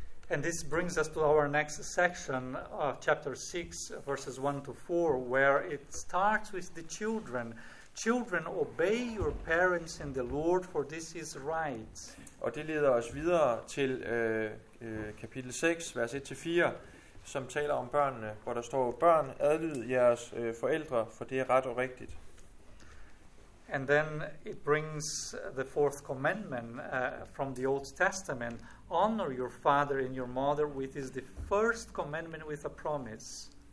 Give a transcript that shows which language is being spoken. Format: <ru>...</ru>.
<en>And this brings us to our next section, chapter 6, verses 1-4, where it starts with the children. Children, obey your parents in the Lord, for this is right.</en> <da>Og det leder os videre til kapitel 6, vers 1-4, som taler om børnene, hvor der står, børn, adlyd jeres forældre, for det er ret og rigtigt.</da> <en>And then it brings the fourth commandment from the Old Testament. Honor your father and your mother, which is the first commandment with a promise.</en>